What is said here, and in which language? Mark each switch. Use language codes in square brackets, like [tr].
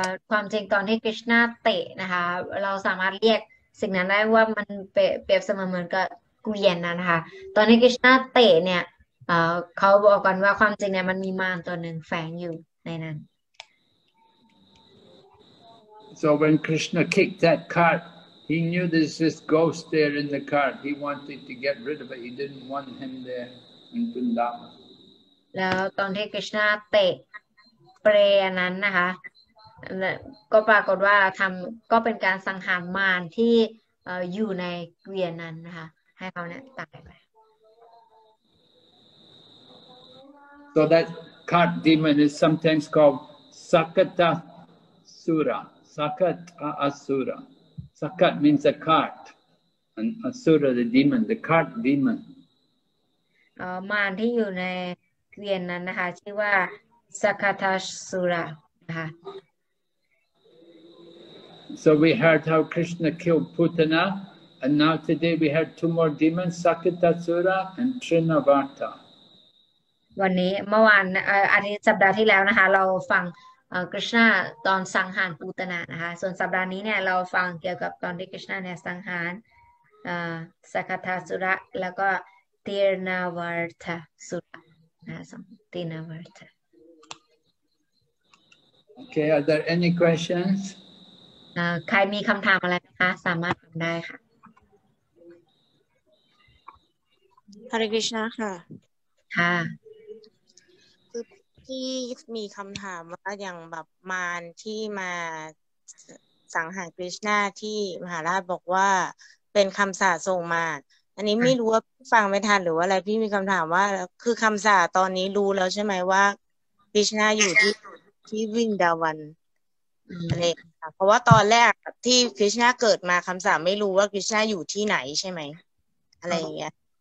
[th] ความจริงตอนที่คริชนาเตะนะคะเราสามารถเรียกสิ่งนั้นได้ว่ามันเปรียบเสมือนกับกุเรียนนะคะตอนที่คริชนาเตะเนี่ยเขาบอกกันว่าความจริงเนี่ยมันมีมารตัวหนึ่งแฝงอยู่ในนั้น [en] So when Krishna kicked that cart he knew there's this ghost there in the cart he wanted to get rid of it he didn't want him there in Vrindavan [th] แล้วตอนที่คริชนาเตะเปรย์นั้นนะคะก็ปรากฏว่าทำก็เป็นการสังหารมารที่อยู่ในเกวียนนั้นนะคะให้เขาเนี่ยตายไป [en] So that cart demon is sometimes called Sakata Asura. Sakata Asura. Sakat means a cart, and Asura the demon, the cart demon. [th] มารที่อยู่ในเกวียนนั้นนะคะชื่อว่า Sakata Asura นะคะ [en] So we heard how Krishna killed Putana, and now today we heard two more demons, Sakatasura and Trnavarta. [th] วันนี้เมื่อวานอาทิตย์สัปดาห์ที่แล้วนะคะเราฟังKrishna ตอนสังหารปูตนานะคะส่วนสัปดาห์นี้เนี่ยเราฟังเกี่ยวกับตอนที่ Krishna เนี่ยสังหารSakatasura แล้วก็ Trnavarta Sura นะ Trnavarta. [en] Okay, are there any questions? [th] ใครมีคำถามอะไรคะสามารถถามได้ค่ะ ฮริกริชนาค่ะ ค่ะ คือที่มีคำถามว่าอย่างแบบมารที่มาสังหารกริชนาที่มหาราชบอกว่าเป็นคำสาส่งมาอันนี้ไม่รู้ว่าพี่ฟังไม่ทันหรือว่าอะไรพี่มีคำถามว่าคือคำสาตอนนี้รู้แล้วใช่ไหมว่ากริชนาอยู่ที่ที่วิงดาวันอะไรค่ะเพราะว่าตอนแรกที่กริชนาเกิดมาคำสาไม่รู้ว่ากริชนาอยู่ที่ไหนใช่ไหมอะไรอย่างเงี้ย